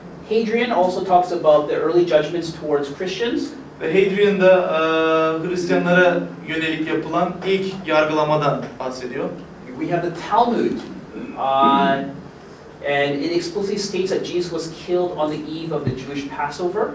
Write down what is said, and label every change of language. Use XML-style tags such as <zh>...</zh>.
<en>Hadrian also talks about the early judgments towards Christians.</en> <tr>Ve Hadrian da Hristiyanlara yönelik yapılan ilk yargılamadan bahsediyor.</tr> <en>We have the Talmud. And it explicitly states that Jesus was killed on the eve of the Jewish Passover.</en>